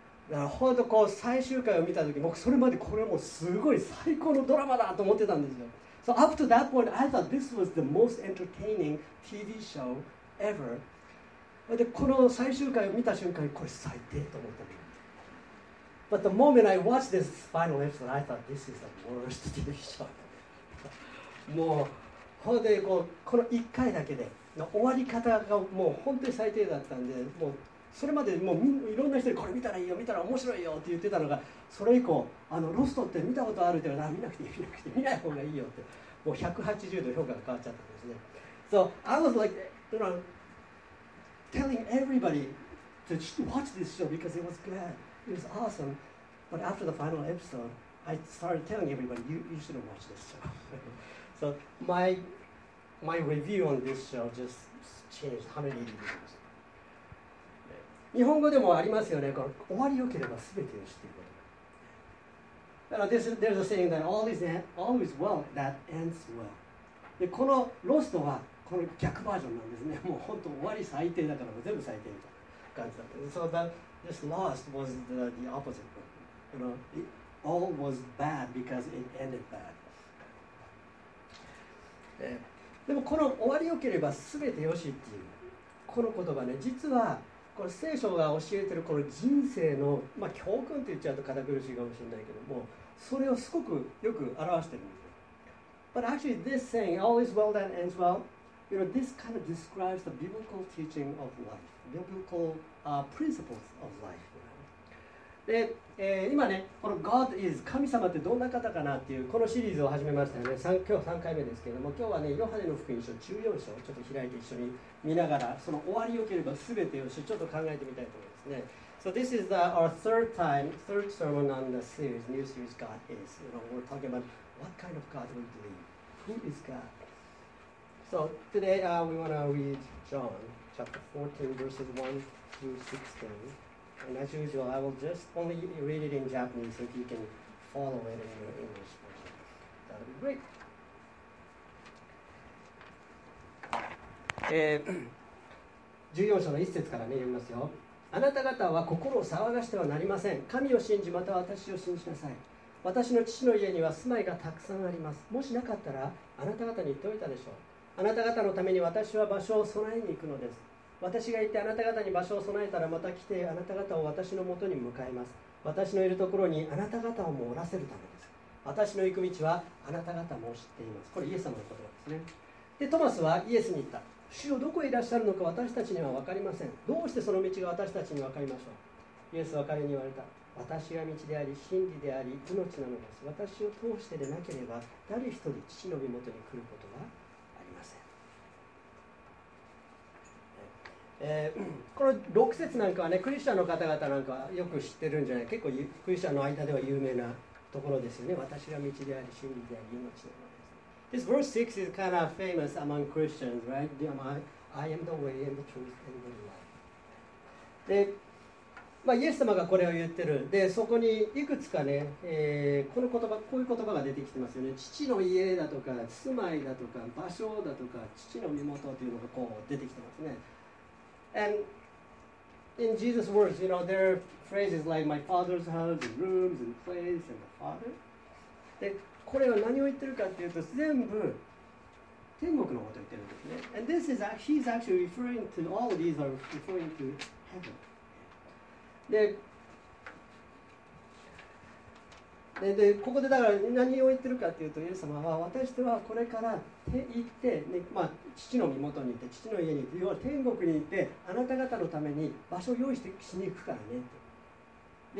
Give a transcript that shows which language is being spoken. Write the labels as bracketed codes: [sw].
[ja] だから本当こう最終回を見たとき、僕それまでこれもすごい最高のドラマだと思ってたんですよ。 [en] So up to that point, I thought this was the most entertaining TV show ever. [ja] で、この最終回を見た瞬間にこれ最低と思ったんです。 [en] But the moment I watched this final episode, I thought this is the worst TV show. [ja] もう、ほんでこう、この1回だけで、終わり方がもう本当に最低だったんで、もう、それまでもうみんないろんな人にこれ見たらいいよ、見たら面白いよって言ってたのが、それ以降、あのロストって見たことあるって言われたら、見なくていい、見なくていい、見ない方がいいよって、もう180度評価が変わっちゃったんですね。 [en] So I was like, you know, telling everybody to watch this show because it was good, it was awesome. But after the final episode, I started telling everybody, you shouldn't watch this show. So my review on this show just changed 180 degrees. [ja] 日本語でもありますよね。これ終わりよければ全てよしということ。だから [en] there's a saying that all is well that ends well。 [ja] でこのロストはこの逆バージョンなんですね。もう本当終わり最低だから全部最低みたいな感じだった。 [en] So that this lost was the opposite. You know, it all was bad because it ended bad. [ja] でもこの終わりよければ全てよしっていうこの言葉ね、実はこれ聖書が教えているこの人生の、まあ、教訓と言っちゃうと堅苦しいかもしれないけども、それをすごくよく表しているんです。 [en] But actually this saying all is well that ends well, you know, this kind of describes the biblical teaching of life, biblical principles of life, you know? [ja] で、今ねこの God is 神様ってどんな方かなっていうこのシリーズを始めましたよね。今日3回目ですけども、今日はねヨハネの福音書14章ちょっと開いて一緒に見ながら、その終わりよければ全てよし、ちょっと考えてみたいと思いますね。 [en] So this is our third sermon on the series, new series, God is. You know, we're talking about what kind of God we believe. Who is God? So today we want to read John chapter 14 verses 1 through 16. And as usual, I will just only read it in Japanese so you can follow it in your English version. That would be great. [ja] 14章の1節から、ね、読みますよ。あなた方は心を騒がしてはなりません。神を信じ、また私を信じなさい。私の父の家には住まいがたくさんあります。もしなかったらあなた方に言っておいたでしょう。あなた方のために私は場所を備えに行くのです。私が行ってあなた方に場所を備えたら、また来てあなた方を私のもとに迎えます。私のいるところにあなた方をもおらせるためです。私の行く道はあなた方も知っています。これイエス様の言葉ですね。でトマスはイエスに言った。主よ、どこへいらっしゃるのか私たちには分かりません。どうしてその道が私たちに分かりましょう。イエスは彼に言われた。私が道であり真理であり命なのです。私を通してでなければ誰一人父の身元に来ることはありません。この6節なんかはね、クリスチャンの方々なんかはよく知ってるんじゃない。結構クリスチャンの間では有名なところですよね。私が道であり真理であり命なのです。 [en] This verse 6 is kind of famous among Christians, right? I am the way and the truth and the life. [ja] で、まあ、イエス様がこれを言ってる。で、そこにいくつかね、この言葉、こういう言葉が出てきてますよね。父の家だとか、住まいだとか、場所だとか、父の身元というのがこう出てきてますね。 [en] And in Jesus' words, you know, there are phrases like my father's house and rooms and place and the father. [ja] で、これは何を言ってるかというと、全部天国のことを言ってるんですね。 [en] And this is he's actually referring to, all of these are referring to heaven. [ja] で、ここでだから何を言ってるかというと、イエス様は私とはこれから行って、ね、まあ、父の身元に行って、父の家に行って、要は天国に行って、あなた方のために場所を用意してしに行くからねと。